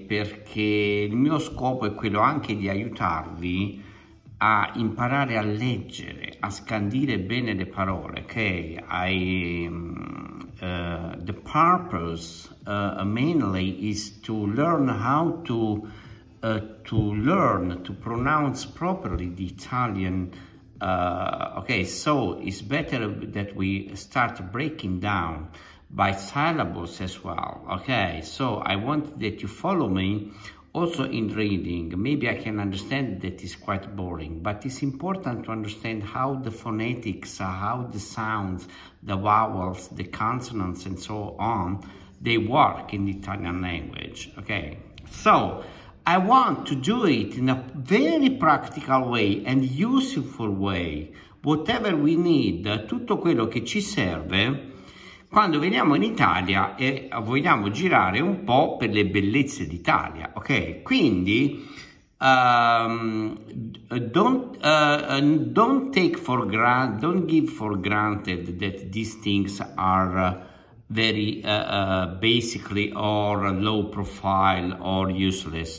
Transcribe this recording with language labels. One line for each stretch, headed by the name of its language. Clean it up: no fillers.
Italian: Perché il mio scopo è quello anche di aiutarvi a imparare a leggere, a scandire bene le parole, ok?
English: The purpose mainly is to learn how to pronounce properly the Italian. Okay, so it's better that we start breaking down by syllables as well. Okay, so I want that you follow me also in reading. Maybe I can understand that it's quite boring, but it's important to understand how the phonetics, how the sounds, the vowels, the consonants, and so on, they work in the Italian language. Okay, so I want to do it in a very practical way and useful way. Whatever we need,
Italian: tutto quello che ci serve quando veniamo in Italia e vogliamo girare un po' per le bellezze d'Italia.
English: Ok, quindi don't give for granted that these things are very basically or low profile or useless.